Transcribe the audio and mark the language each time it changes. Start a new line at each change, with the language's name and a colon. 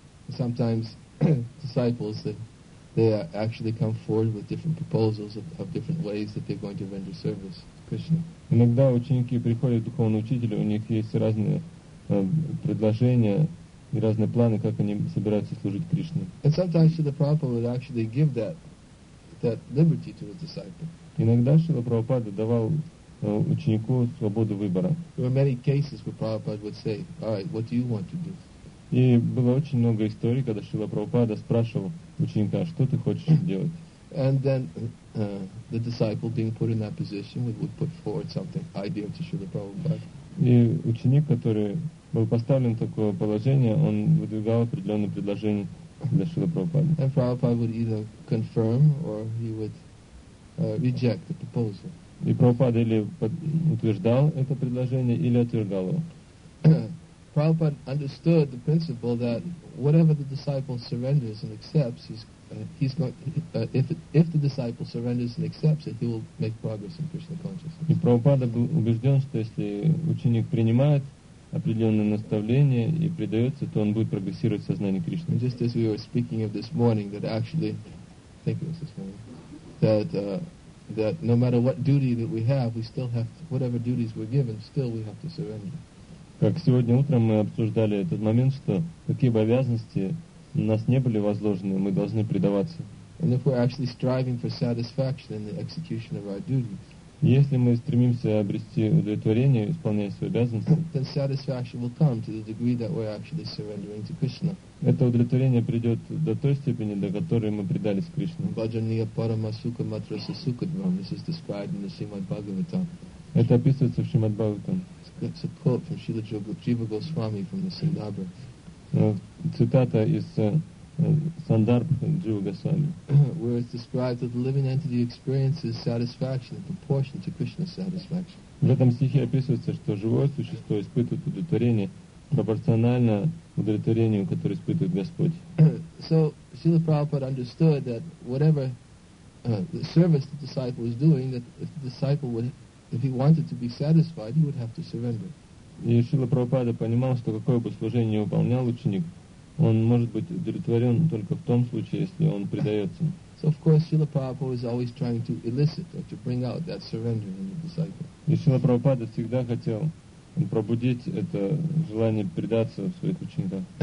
English: Sometimes disciples, they actually come forward with different proposals of different ways that they're going to render service.
Russian: Иногда ученики приходят к духовному учителю, у них есть разные предложения и разные планы, как они собираются служить Кришне.
English: And sometimes Śrīla Prabhupāda would actually give that liberty to his disciple.
Russian: Иногда Śrīla Prabhupāda давал ученику свободу выбора.
English: There were many cases where Prabhupāda would say, "All right, what do you want to do?"
Russian: И было очень много историй, когда Śrīla Prabhupāda спрашивал ученика, что ты хочешь делать.
English: And then the disciple being put in that position would put forward something ideal to Śrīla Prabhupāda.
Russian: И ученик, который был поставлен в такое положение, он выдвигал определенные предложения для Śrīla Prabhupāda.
English: And Prabhupāda would either confirm or he would reject the proposal.
Russian: И Прабхупада или утверждал это предложение, или отвергал его.
English: Prabhupāda understood the principle that whatever the disciple surrenders and accepts, if the disciple surrenders and accepts it, he will make progress in Krishna consciousness.
Russian: И Прабхупада был убежден, что если ученик принимает определенное наставление и предается, то он будет прогрессировать в сознании Кришны.
English: And just as we were speaking of this morning, that actually, I think it was this morning, that no matter what duty that we have, we still have to, whatever duties we're given, still we have to surrender.
Russian: Как сегодня утром мы обсуждали этот момент, что какие бы обязанности на нас не были возложены, мы должны предаваться.
English: And if we're actually striving for satisfaction in the execution of our duties,
Russian: если мы стремимся обрести удовлетворение, исполняя свои обязанности,
English: then satisfaction will come to the degree that we're actually surrendering to Krishna.
Russian: Это удовлетворение придет до той степени, до которой мы предались Кришне.
Sanskrit: Bhajaniya paramasukha matrasa sukadvam.
English: This is described in the Srimad Bhagavatam.
Russian: Это описывается в Шримад Бхагаватам.
English: It's a quote from Śrīla Jīva Goswami from the Sandarbha.
Russian: Цитата из Сандарбха Джива Госвами.
English: Where it's described that the living entity experiences satisfaction in proportion to Krishna's satisfaction.
Russian: В этом стихе описывается, что живое существо испытывает удовлетворение пропорционально удовлетворению, которое испытывает Господь.
English: So Śrīla Prabhupāda understood that whatever the service the disciple is doing, that if the disciple would, if he wanted to be satisfied, he would have to surrender.
Russian: И Шрила Прабхупада понимал, что какое бы служение ни выполнял ученик, он может быть удовлетворен только в том случае, если он предается.
English: So of course Srila Prabhupada was always trying to elicit or to bring out that surrender in the disciple.
Russian: И Шрила Прабхупада всегда хотел пробудить это желание предаться в своих учениках.